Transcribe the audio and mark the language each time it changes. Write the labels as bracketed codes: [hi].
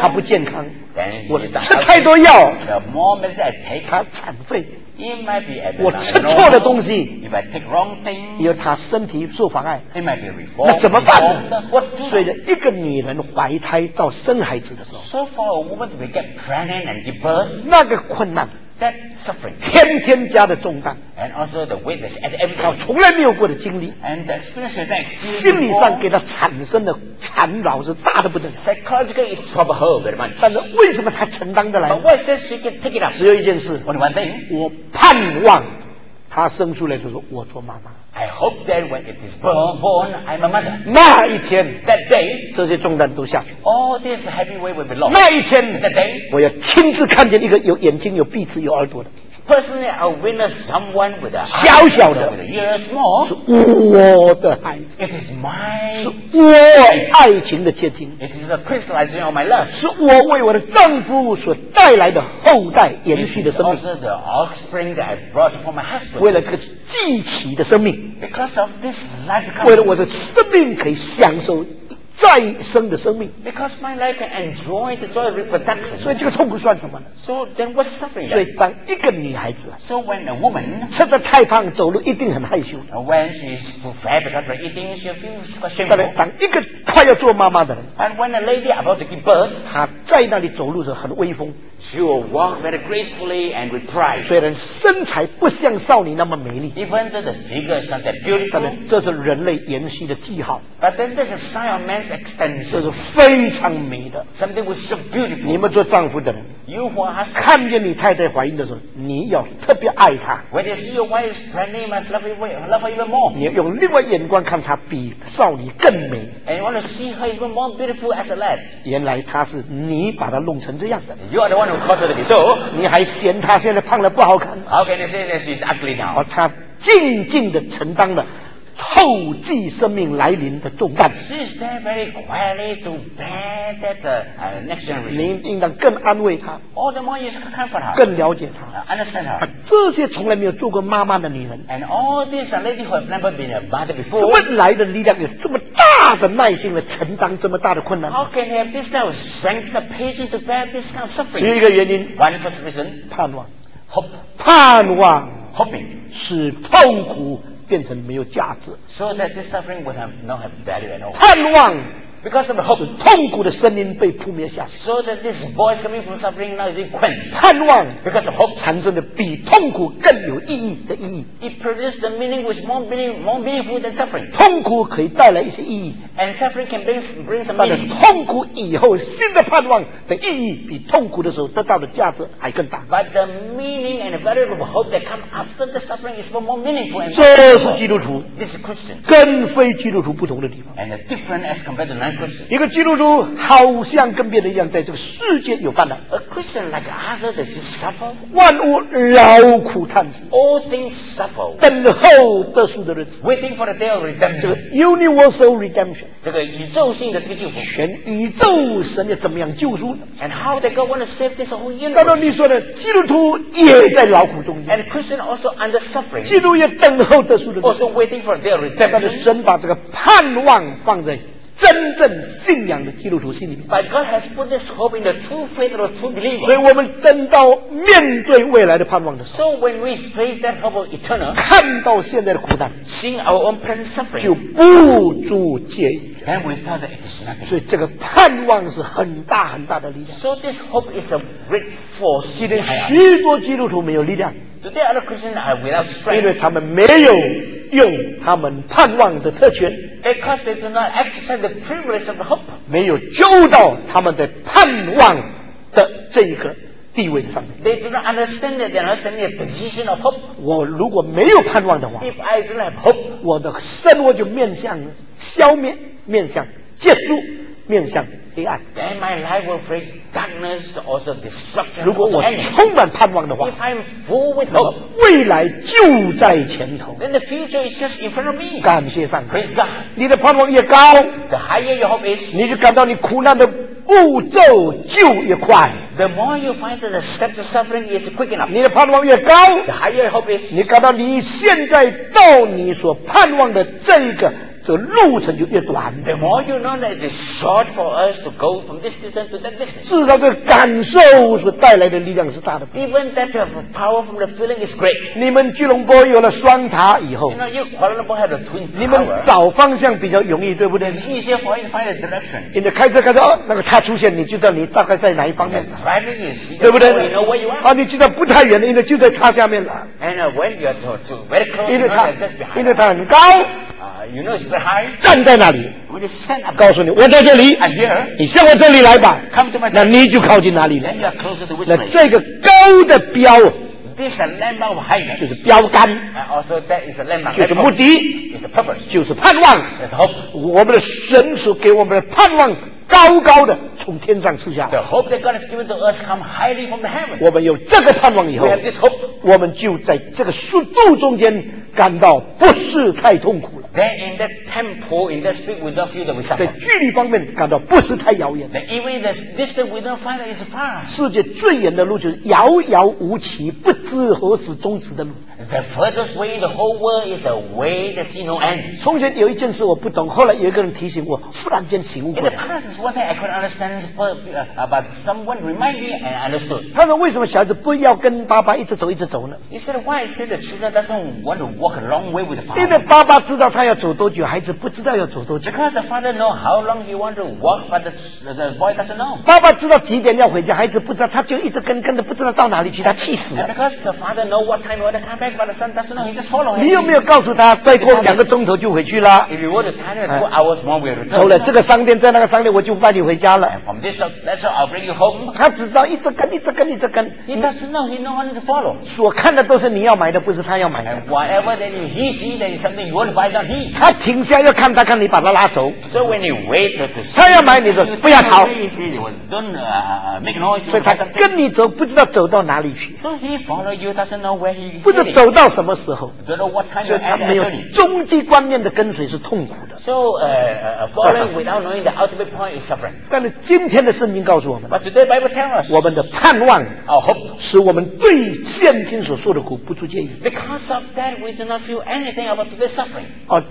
[zh] 他不健康 [en] then [zh] 我吃太多药 [en] the moment I take, [zh] 他残废 [en] he might be [zh] 我吃错了东西 [en] if I take wrong things, [zh] 因为他身体受妨碍 [en] he might be reformed, [zh] 那怎么办呢 [en] what do [zh] 所以一个女人怀胎到生孩子的时候 [en] so for a woman to get pregnant and give birth [zh] 那个困难 [en] that suffering, [zh] 天天加的重担 [en] and also the weight that's at every time [zh] 他从来没有过的经历 [en] and the experience that experience before, [zh] 心理上给他产生的烦恼是大的不得了 [en] Psychologically it troubled her very much [zh] 但是为什么她承担得来 [en] But why is this she can take it up [zh] 只有一件事 [en] Only one thing [zh] 我盼望她生出来就说我做妈妈 [en] I hope that when it is born I'm a mother [zh] 那一天 [en] That day [zh] 这些重担都下去 [en] All this heavy weight will be lost [zh] 那一天 [en] That day [zh] 我要亲自看见一个有眼睛有鼻子有耳朵的 [en] Personally, I'll witness someone with a [zh] 小小的 [en] with a year small, [zh] 是我的孩子 [en] It is my [zh] 是我爱情的结晶 [en] It is a crystallizing of my love [zh] 是我为我的丈夫所带来的后代延续的生命 [en] It is also the offspring that I brought for my husband [zh] 为了这个继起的生命 [en] Because of this life coming [zh] 为了我的生命可以享受再生的生命 [en] ，because my life can enjoy the joy of reproduction， [zh] 所以这个痛不算什么呢 [en] ？So then what's suffering？ [zh] 所以当一个女孩子 [en] ，So when a woman [zh] 吃得太胖，走路一定很害羞 [en] ；When she is too fat because of eating, she feels ashamed。 [zh] 当然，一个快要做妈妈的人 [en] ，And when a lady about to give birth， [zh] 她在那里走路是很威风 [en] ，She will walk very gracefully and with pride。 [zh] 虽然身材不像少女那么美丽 [en] ，Even though the figure is not that beautiful， [zh] 这是人类延续的记号 [en] ，But then this is sign of man's extension [zh] 这是非常美的 [en] something was so beautiful [zh] 你们做丈夫的人 [en] you who are husband [zh] 看见你太太怀孕的时候你要特别爱她 [en] when you see your wife's pregnant you must love her even more [zh] 你要用另外眼光看她比少女更美 [en] and you want to see her even more beautiful as a lad [zh] 原来她是你把她弄成这样的 [en] you are the one who caused her to be so [zh] 你还嫌她现在胖了不好看 [en] how can you say that she's ugly now [zh] 而她静静地承担了后继生命来临的重担。 [en] She is there very quietly to bear that next generation. [zh] 您应当更安慰她。 [en] All the more you should comfort her. [zh] 更了解她。 [en] Understand her. [zh] 这些从来没有做过妈妈的女人。 [en] And all these ladies who have never been a mother before. [zh] 怎么来的力量有这么大的耐心来承担这么大的困难 [en] ？How can they have this kind of strength, the patience to bear this kind of suffering? [zh] 只有一个原因。 [en] One first reason. [zh] 盼望。 [en] Hope. [zh] 盼望。 [en] Hoping. [zh] 使痛苦。变成没有价值 [en] so that this suffering would not have value at all [zh] 盼望 [en] Because of the hope, [zh] 痛苦的声音被扑灭下。 [en] So that this voice coming from suffering now is being quenched. [zh] 盼望 [en] because of hope [zh] 产生的比痛苦更有意义的意义。 [en] It produces the meaning which is more meaningful than suffering. [zh] 痛苦可以带来一些意义。 [en] And suffering can bring some meaning. [zh] 但是痛苦以后新的盼望的意义比痛苦的时候得到的价值还更大。 [en] But the meaning and the value of hope that come after the suffering is more meaningful. [zh] 这是基督徒。 [en] This is Christian. [zh] 跟非基督徒不同的地方。 [en] And different as compared to non-Christian. [zh] 一个基督徒好像跟别人一样在这个世界有烦恼 [en] A Christian like other does he suffer [zh] 万物劳苦叹息 [en] All things suffer [zh] 等候得赎的日子 [en] Waiting for the day of redemption [zh] 这个 [en] universal redemption [zh] 这个宇宙性的这个救赎全宇宙神要怎么样救赎 [en] And how did God want to save this whole universe [zh] 那么你说的基督徒也在劳苦中 [en] And Christian also under suffering [zh] 基督也等候得赎的日子 [en] Also waiting for the day of redemption [zh] 但是神把这个盼望放在真正信仰的基督徒心里面 [en] But God has put this hope in the true faith of true believers [zh] 所以我们等到面对未来的盼望的时候 [en] So when we face that hope of eternal [zh] 看到现在的苦难 [en] Seeing our own present suffering [zh] 就不住介意 [en] And we thought that it is nothing [zh] 所以这个盼望是很大很大的力量 [en] So this hope is a great force [zh] 今天许多基督徒没有力量 [en] Today other Christians are without strength [zh] 因为他们没有用他们盼望的特权 [en] Because they do not exercise the privilege of hope. [zh] 没有揪到他们在盼望的这一个地位上面。 [en] They do not understand that they are not standing in a position of hope. [zh] 我如果没有盼望的话 [en] If I do not have hope, [zh] 我的生活就面向消灭，面向结束，面向黑暗。 [en] Then my life will face darkness, also destruction. [zh] 如果我充满盼望的话 [en] If I am full with hope, [zh] 未来就在前头。 [en] Then the future is just in front of me. [zh] 感谢上帝。 [en] Praise God. [zh] 你的盼望越高 [en] The higher your hope is, [zh] 你就感到你苦难的步骤就越快。 [en] The more you find that the steps of suffering is quick enough, [zh] 你的盼望越高 [en] The higher your hope is, [zh] 你感到你现在到你所盼望的这一个这路程就越短。 [en] The more you know that it is short for us to go from this distance to that distance. [zh] 至少这感受所带来的力量是大的。 [en] Even that of power from the feeling is great. [zh] 你们吉隆坡有了双塔以后 [en] You know, Kuala Lumpur had a twin tower. [zh] 你们找方向比较容易，对不对 [en] ？It's easier for you to find a direction. [zh] 你的开车开车，那个塔出现，你就知道你大概在哪一方面。 [en] Driving is, [zh] 对不对 [en] ？You know where you are. [zh] 啊，你知道不太远的，因为就在塔下面了。 [en] And when you are too very close, you know that just behind. [zh] 因为它很高。 [en] You know, it's very high. [zh] 站在那里，告诉你，我在这里。 [en] I'm here. [zh] 你向我这里来吧。 [en] Come to my. [zh] 那你就靠近哪里了 [en] ？Then you are closer to which place? [zh] 那这个高的标 [en] ，This is a landmark of height. [zh] 就是标杆。 [en] Also, that is a landmark. [zh] 就是目的。 [en] It's a purpose. [zh] 就是盼望。 [en] It's hope. [zh] 我们的神所给我们的盼望。高高的从天上赐下。 [en] The hope that God has given to us come highly from the heaven. [zh] 我们有这个盼望以后 [en] We have this hope. [zh] 我们就在这个速度中间感到不是太痛苦了。 [en] Then in that tempo, in that speed, we don't feel that we suffer. [zh] 在距离方面感到不是太遥远。 [en] Then even the distance, we don't find that it's far. [zh] 世界最远的路就是遥遥无期、不知何时终止的路。 [en] The furthest way in the whole world is a way that sees no end. [zh] 从前有一件事我不懂，后来有一个人提醒我，忽然间醒悟过来。 [en] One thing I couldn't understand about someone reminded me and understood. [zh] 他说为什么小孩子不要跟爸爸一直走一直走呢 [en] ？He said, "Why is it that children doesn't want to walk a long way with the father?" [zh] 因为爸爸知道他要走多久，孩子不知道要走多久。 [en] Because the father know how long he want to walk, but the boy doesn't know. [zh] 爸爸知道几点要回家，孩子不知道，他就一直跟着，不知道到哪里去，他气死了。 [en] And because the father know what time he want to come back, but the son doesn't know. He just follow him. [zh] 你有没有告诉他再过两个钟头就回去了 [en] ？If you want to tell him two hours more, we'll return. [zh] 走了这个商店，在那个商店，我就。就带你回家了。 [en] And from this, that's all, I'll bring you home. [zh] 他只知道一直跟，一直跟，一直跟。 [en] He doesn't know. He knows how to follow. [zh] 所看的都是你要买的，不是他要买的。 [en] And whatever that he sees, that is something you want to buy, not he. [zh] 他停下要看他，看你把他拉走。 [en] So when he wait to see, [zh] 他要买你的，不要吵。 [en] Don't make noise. [zh] 所以他跟你走，不知道走到哪里去。 [en] So he follow you, doesn't know where he. [zh] 不知走到什么时候。 [en] Don't know what time. [zh] 所以他没有终极观念的跟随是痛苦的。 [en] So following without knowing the ultimate point is suffering. [zh] 但是今天的圣经告诉我们 [en] But today Bible tells us, [zh] 我们的盼望 [en] our hope, [zh] 使我们对现今所受的苦不出介意 [en] Because of that, we do not feel anything about today's suffering.